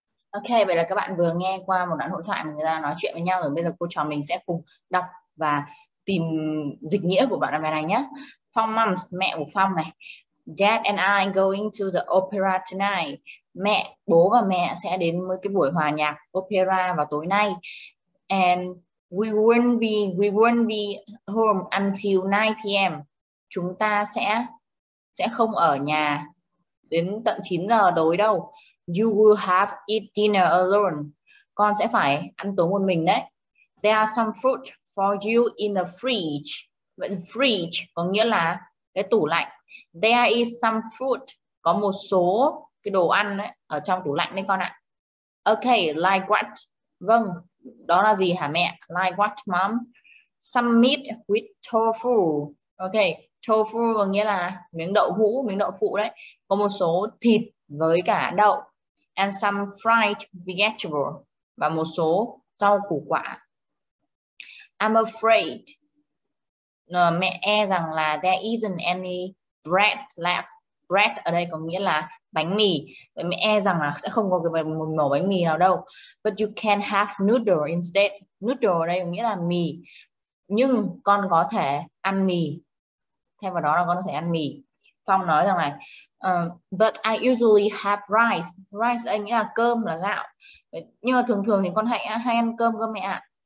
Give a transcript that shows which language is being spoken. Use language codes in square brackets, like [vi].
[vi] Ok, vậy là các bạn vừa nghe qua một đoạn hội thoại mà người ta nói chuyện với nhau rồi. Bây giờ cô trò mình sẽ cùng đọc và tìm dịch nghĩa của đoạn bài này nhé. Phong Mums, mẹ của Phong này. [en] Dad and I going to the opera tonight. [vi] Mẹ, bố và mẹ sẽ đến với cái buổi hòa nhạc opera vào tối nay. [en] And we won't be home until 9 p.m. [vi] Chúng ta sẽ không ở nhà đến tận 9 giờ tối đâu. [en] You will have eat dinner alone. [vi] Con sẽ phải ăn tối một mình đấy. [en] There are some food for you in the fridge. [vi] Vậy thì fridge có nghĩa là cái tủ lạnh. [en] There is some food. [vi] Có một số cái đồ ăn ấy, ở trong tủ lạnh đấy con ạ. [en] Okay, like what? [vi] Vâng, đó là gì hả mẹ? [en] Like what, mom? Some meat with tofu. [vi] Okay, tofu có nghĩa là miếng đậu hũ, miếng đậu phụ đấy. Có một số thịt với cả đậu. [en] And some fried vegetable. [vi] Và một số rau củ quả. [en] I'm afraid. [vi] Mẹ e rằng là [en] there isn't any bread left. [vi] Bread ở đây có nghĩa là bánh mì. Vậy mẹ e rằng là sẽ không có cái mẩu bánh mì nào đâu. [en] But you can have noodle instead. Noodle [vi] ở đây có nghĩa là mì. Nhưng con có thể ăn mì. Thêm vào đó là con có thể ăn mì. Phong nói rằng là [en] but I usually have rice. [vi] Rice anh nghĩa là cơm, là gạo. Nhưng mà thường thường thì con hay ăn cơm cơ mẹ ạ.